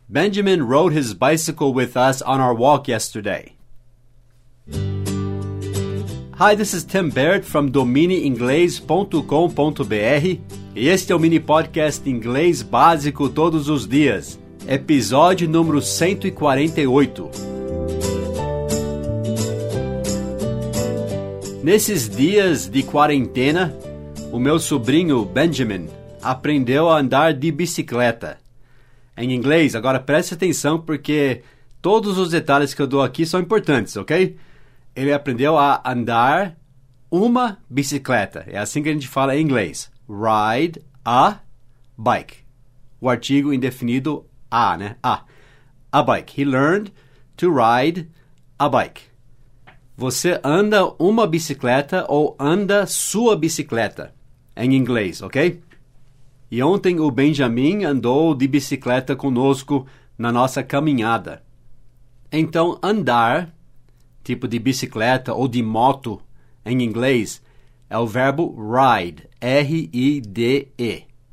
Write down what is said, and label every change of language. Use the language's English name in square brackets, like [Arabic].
[English] Benjamin rode his bicycle with us on our walk yesterday. Hi, this is Tim Baird from DominiInglês.com.br [Portuguese] e este é o mini podcast Inglês Básico Todos os Dias, episódio número 148. Nesses dias de quarentena, o meu sobrinho Benjamin aprendeu a andar de bicicleta. Em inglês, agora preste atenção porque todos os detalhes que eu dou aqui são importantes, ok? Ele aprendeu a andar uma bicicleta. É assim que a gente fala em inglês. [English] Ride a bike. [Portuguese] O artigo indefinido a, né? [English] A bike. He learned to ride a bike. [Portuguese] Você anda uma bicicleta ou anda sua bicicleta em inglês, ok? E ontem o Benjamin andou de bicicleta conosco na nossa caminhada. Então, andar, tipo de bicicleta ou de moto em inglês, é o verbo ride, R-I-D-E.